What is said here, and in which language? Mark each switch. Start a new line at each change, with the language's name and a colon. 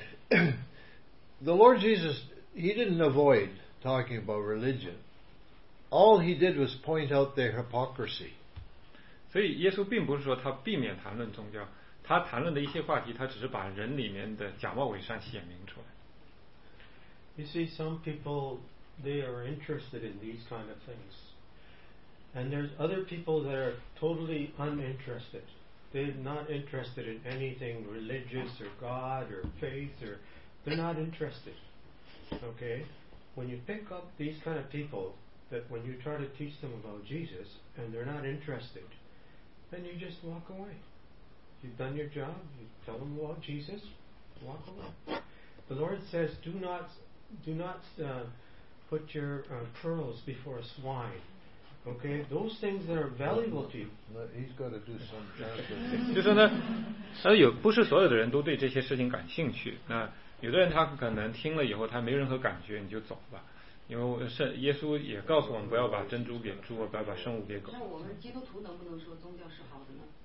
English: The Lord Jesus, he didn't avoid talking about religion. All he did was point out their hypocrisy.
Chinese: 所以耶稣并不是说他避免谈论宗教，他谈论的一些话题，他只是把人里面的假冒伪善显明出来。
English: You see, some people, they are interested in these kind of things. And there's other people that are totally uninterested. They're not interested in anything religious or God or faith or, they're not interested. Okay? When you pick up these kind of people, that when you try to teach them about Jesus and they're not interested, then you just walk away. You've done your job, you tell them about Jesus, walk away. The Lord says, do not put your pearls before a swine. Okay, those things that are valuable to you. He's got to do some.
Chinese: 就说呢，有不是所有的人都对这些事情感兴趣。那有的人他可能听了以后他没任何感觉，你就走吧。因为耶稣也告诉我们不要把珍珠给猪，不要把圣物给狗。那我们基督徒能不能说宗教是好的呢？